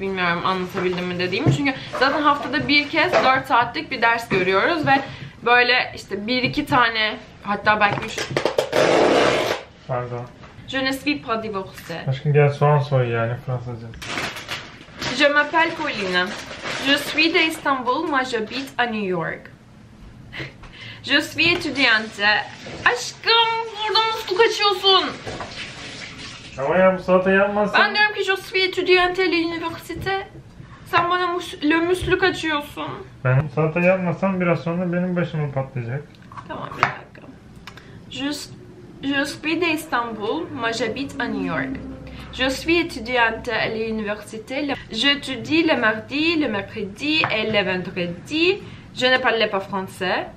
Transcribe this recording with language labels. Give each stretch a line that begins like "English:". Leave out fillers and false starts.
Turkish: Bilmiyorum anlatabildim mi dediğimi. Çünkü zaten haftada bir kez 4 saatlik bir ders görüyoruz ve böyle işte 1-2 tane, hatta belki 3...
French: Pardon. Je ne suis pas divorcée.
Turkish: Aşkım gel soğan soy yani Fransızca.
French: Je m'appelle Pauline. Je suis de Istanbul, mais j'habite à New York. Je suis étudiante.
Turkish: Aşkım burada musluk açıyorsun. Ama ya bu salata yanmasın. Ben diyorum ki
French: je suis étudiante à l'université.
Turkish: Sen bana lömüslük açıyorsun. Ben bu salata yanmasam biraz sonra benim başımı patlayacak. Tamam bir dakika.
French: Je suis d'Istanbul, mais j'habite à New York. Je suis étudiante à l'université. J'étudie le mardi, le mercredi et le vendredi. Je ne parle pas français.